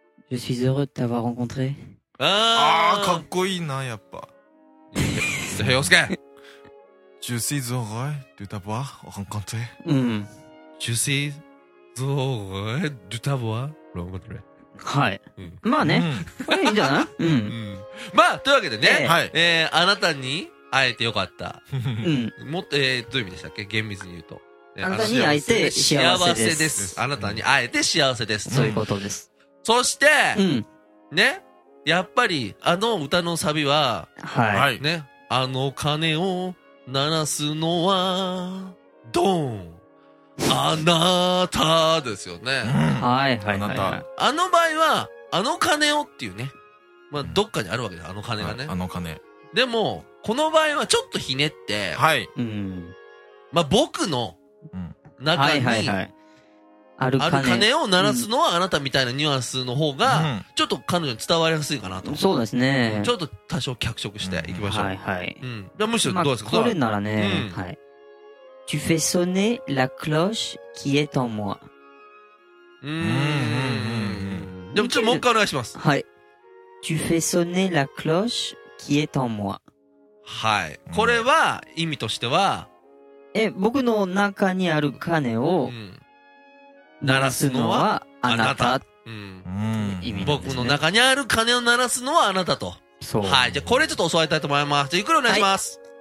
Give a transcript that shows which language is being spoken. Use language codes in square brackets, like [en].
[fr] Je suis heureux de t'avoir rencontré. [ja] ああ、かっこいいな、やっぱ。ヘヨスケ。 [fr] Je suis heureux de t'avoir rencontré. [ja] うん。 [fr] Je suis heureux de t'avoir rencontré. [ja] はい。うん、まあね。うん、これいいんじゃない？うん、うん。まあ、というわけでね。はい。あなたに、会えてよかった。うん、もっと、どういう意味でしたっけ？厳密に言うと。あなたに会えて幸せです。です、あなたに会えて幸せです、うん。そういうことです。そして、うん、ね、やっぱりあの歌のサビは、はい、ね、あの鐘を鳴らすのは、ドン、あなたですよね。はい、はい、はい。あなた。あの場合は、あの鐘をっていうね、まあ、どっかにあるわけです、あの鐘がね。あの鐘。でも、この場合はちょっとひねって、はい、うん、まあ、僕の中に、うん、はいはいはい、ある鐘を鳴らすのはあなたみたいなニュアンスの方が、うん、ちょっと彼女に伝わりやすいかなと。そうですね。ちょっと多少脚色していきましょう。うん、はいはい。うん、じゃあむしろどうですか、まあ、これならね、うん、はい。 [fr] Tu fais sonner la cloche qui est en moi。 [ja] でもちょっともう一回お願いします。はい。 [fr] Tu fais sonner la cloche qui est en moi。 [ja] はい、これは意味としては、うん、僕の中にある鐘を鳴らすのはあなた、僕の中にある鐘を鳴らすのはあなたと。そう、はい、じゃあこれちょっと教わりたいと思います。じゃあゆっくりお願いします。